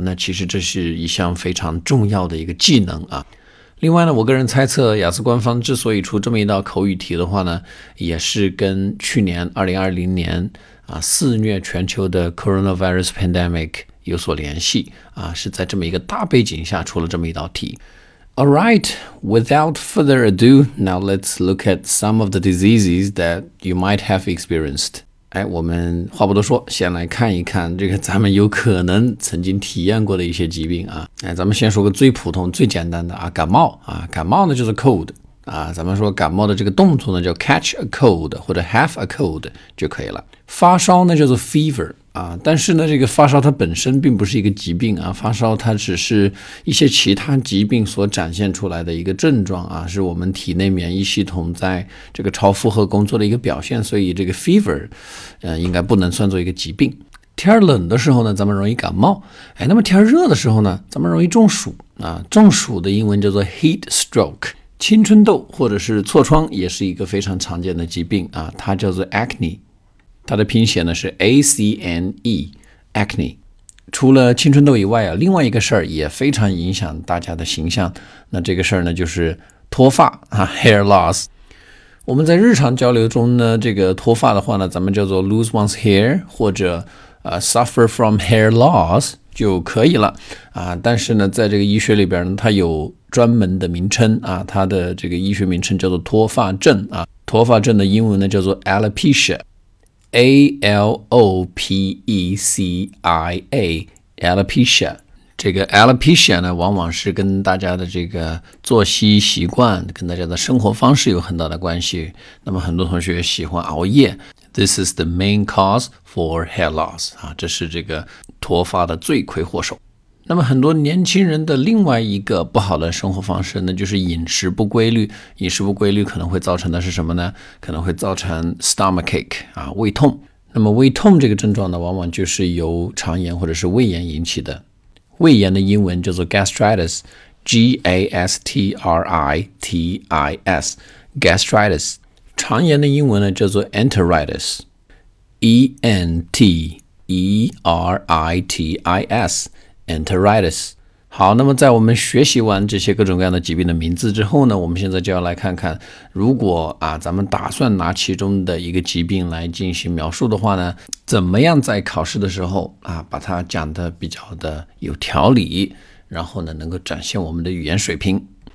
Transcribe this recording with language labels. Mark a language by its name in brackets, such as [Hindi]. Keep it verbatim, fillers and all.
[Chinese] 那其实这是一项非常重要的一个技能啊。另外呢，我个人猜测雅思官方之所以出这么一道口语题的话呢，也是跟去年二零二零年啊四月全球的 coronavirus pandemic 有所联系啊，是在这么一个大背景下出了这么一道题。 [English] All right, without further ado, now let's look at some of the diseases that you might have experienced. [Chinese] 哎，我们话不多说，先来看一看这个咱们有可能曾经体验过的一些疾病啊。哎，咱们先说个最普通、最简单的啊，感冒啊，感冒呢就是 cold 啊，咱们说感冒的这个动作呢叫 [English] catch a cold [Chinese] 或者 [English] have a cold [Chinese] 就可以了。发烧呢叫做 fever。啊，但是呢，这个发烧它本身并不是一个疾病啊，发烧它只是一些其他疾病所展现出来的一个症状啊，是我们体内免疫系统在这个超负荷工作的一个表现，所以这个 fever， 呃，应该不能算作一个疾病。天冷的时候呢，咱们容易感冒，哎，那么天热的时候呢，咱们容易中暑啊，中暑的英文叫做 heat stroke。青春痘或者是痤疮也是一个非常常见的疾病啊，它叫做 acne。它的拼写呢是 A C N E acne。除了青春痘以外啊，另外一个事儿也非常影响大家的形象，那这个事儿呢就是脱发啊 hair loss。我们在日常交流中呢，这个脱发的话呢，咱们叫做 [English] lose one's hair [Chinese] 或者、呃、 [English] suffer from hair loss [Chinese] 就可以了啊。但是呢在这个医学里边呢，它有专门的名称啊，它的这个医学名称叫做脱发症啊。脱发症的英文呢叫做 alopecia A L O P E C I A alopecia。这个 alopecia 呢往往是跟大家的这个作息习惯，跟大家的生活方式有很大的关系。那么很多同学喜欢熬夜， [English] This is the main cause for hair loss [Chinese] 啊，这是这个脱发的罪魁祸首。那么很多年轻人的另外一个不好的生活方式呢，就是饮食不规律。饮食不规律可能会造成的是什么呢？可能会造成 stomachache 啊，胃痛。那么胃痛这个症状呢，往往就是由肠炎或者是胃炎引起的。胃炎的英文叫做 gastritis， G A S T R I T I S， gastritis。肠炎的英文呢叫做 enteritis， E N T E R I T I S。 [English] Enteritis。 [Chinese] 好，那么在我们学习完这些各种各样的疾病的名字之后呢，我们现在就要来看看，如果啊咱们打算拿其中的一个疾病来进行描述的话呢，怎么样在考试的时候啊把它讲得比较的有条理，然后呢能够展现我们的语言水平。